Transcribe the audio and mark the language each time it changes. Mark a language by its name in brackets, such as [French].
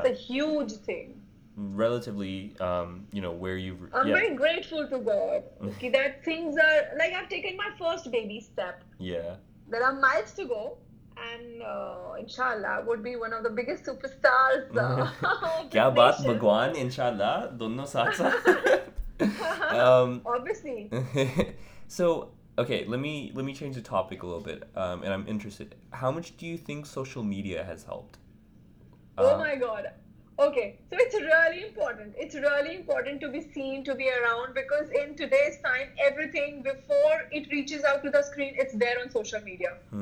[English] It's a huge thing. Relatively, you know, where you've... I'm very grateful to God that things are... Like, I've taken my first baby step. Yeah. There are miles to go. And inshallah, would be one of the biggest superstars. [Hindi] क्या बात, भगवान, इंशाल्लाह, दोनों साथ साथ। [English] Obviously. So, okay, let me change the topic a little bit. And I'm interested. How much do you think social media has helped? Oh my God. Okay, so it's really important. It's really important to be seen, to be around, because in today's time, everything before it reaches out to the screen, it's there on social media.